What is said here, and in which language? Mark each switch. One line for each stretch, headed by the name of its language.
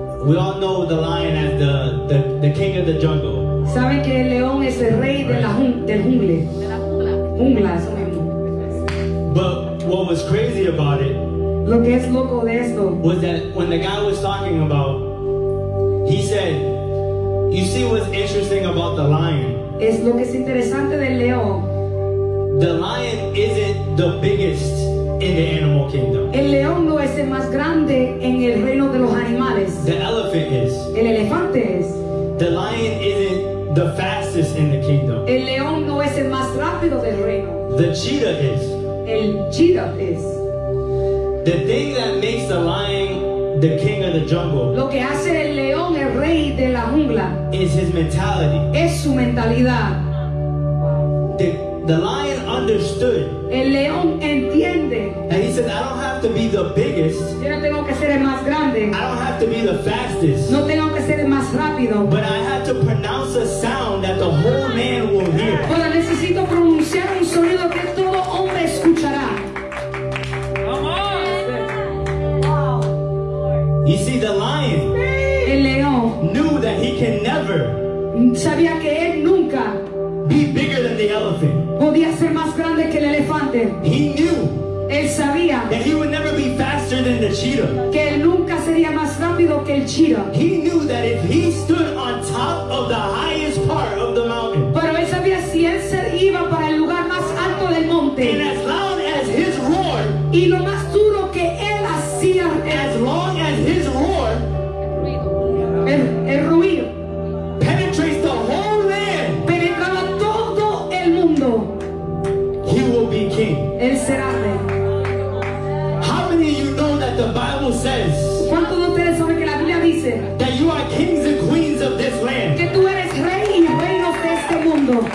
English: We all know the lion as the king of the jungle.
Spanish: Saben que el león es el rey de la jungla. Jungla, eso mismo.
English: But what was crazy about it?
Spanish: Lo que es loco de esto.
English: Was that when the guy was talking about? He said, "You see what's interesting about the lion?"
Spanish: Es lo que es interesante del león.
English: The lion isn't the biggest in the animal kingdom.
Spanish: El león no es el más grande en el reino de los animales.
English: The elephant is.
Spanish: El elefante es.
English: The lion isn't the fastest in the kingdom.
Spanish: El león no es el más rápido del reino.
English: The cheetah is.
Spanish: El cheetah es.
English: The thing that makes the lion the king of the jungle.
Spanish: Lo que hace el león el rey de la jungla.
English: Is his mentality.
Spanish: Es su mentalidad.
English: The lion understood.
Spanish: El león entiende.
English: And he said, "I don't have to be the biggest.
Spanish: Yo no tengo que ser el más grande.
English: I don't have to be the fastest.
Spanish: No tengo que ser el más rápido.
English: But I have to pronounce a sound that the whole man will hear."
Spanish: Pero necesito pronunciar un sonido que todo hombre escuchará.
English: You see, the lion,
Spanish: el león,
English: knew that he can never,
Spanish: sabía que él nunca,
English: be bigger than the elephant.
Spanish: Podía ser más grande que el elefante.
English: He knew,
Spanish: él sabía,
English: that he would never be faster than the cheetah.
Spanish: Que él nunca sería más rápido que el cheetah.
English: He knew that if he stood on top of the highest part of the mountain,
Spanish: pero él sabía si él se iba para el lugar más alto del monte,
English: and as loud as his roar,
Spanish: y lo más duro que él.
English: As long as his roar,
Spanish: el ruido,
English: penetrates the whole land,
Spanish: penetraba todo el mundo,
English: he will be king.
Spanish: Él será rey.
English: How many of you know that the Bible says,
Spanish: ¿cuántos de ustedes saben que la Biblia dice,
English: that you are kings and queens of this land,
Spanish: que tú eres rey y reinos de este mundo?